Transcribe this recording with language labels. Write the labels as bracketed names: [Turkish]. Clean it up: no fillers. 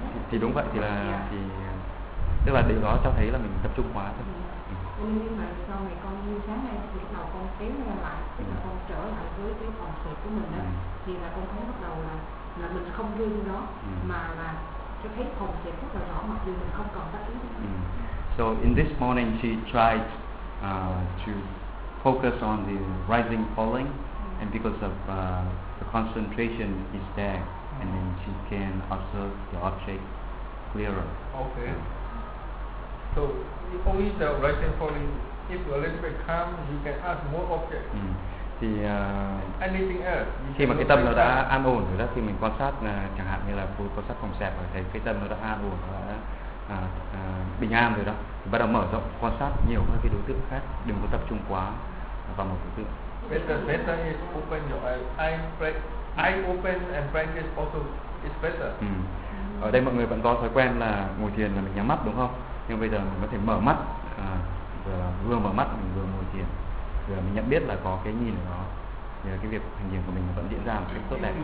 [Vietnamese] Thì đúng vậy thì tức là điều đó cho thấy là mình tập trung quá thôi. Nhưng mà sau này con như sáng nay thì bắt đầu con kéo ra lại, tức là con trở lại với cái phòng sẹt của mình đó, thì là con thấy bắt đầu là mình không đưa như đó, mà là cho thấy phòng sẹt rất là rõ mặc dù mình không còn tác ý. [English] So in this morning she tried to focus on the rising falling, and because of the concentration is there, and then she can observe the object clearer. Okay. So if only the rising falling, if you're a little bit calm, you can ask more objects. [Vietnamese] Thì [English] anything else? [Vietnamese] Khi mà cái tâm nó đã an ổn rồi đó, khi mình quan sát chẳng hạn như là quan sát phòng sẹp rồi, thấy cái tâm nó đã an ổn rồi đó. Bình an rồi đó, bắt đầu mở rộng quan sát nhiều hơn cái đối tượng khác, đừng có tập trung quá vào một đối tượng. [English] Better is open your eye open and practice also is better. [Vietnamese] Ở đây mọi người vẫn có thói quen là ngồi thiền là mình nhắm mắt đúng không? Nhưng bây giờ mình có thể mở mắt, vừa mở mắt mình vừa ngồi thiền, vừa mình nhận biết là có cái nhìn của nó, thì cái việc hành thiền của mình vẫn diễn ra một cách tốt đẹp.